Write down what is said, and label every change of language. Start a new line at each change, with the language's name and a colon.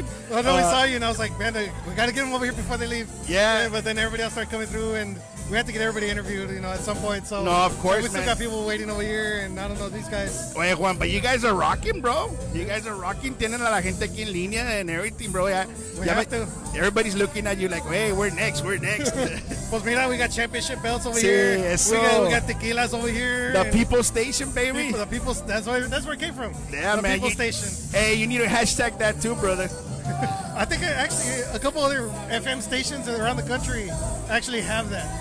English: Well, then we saw you, and I was like, man, we got to get them over here before they leave. Yeah. But then everybody else started coming through, and we had to get everybody interviewed, you know, at some point. So no, of course, we still got people waiting over here, and I don't know, these guys.
Spanish: Oye,
English: Juan, but you guys are rocking, bro. You guys are rocking.
Spanish: Tienen a la gente aquí en línea
English: and everything, bro. Yeah. We have to. Everybody's looking at you like, hey, we're next.
Spanish: Pues mira,
English: we got championship belts over
Spanish: sí,
English: here.
Spanish: Eso.
English: We got tequilas over here. The People Station, baby. The people's, that's where it came from. Yeah, the man. The People Station. Hey, you need to hashtag that too, brother. I think actually a couple other FM stations around the country actually have that.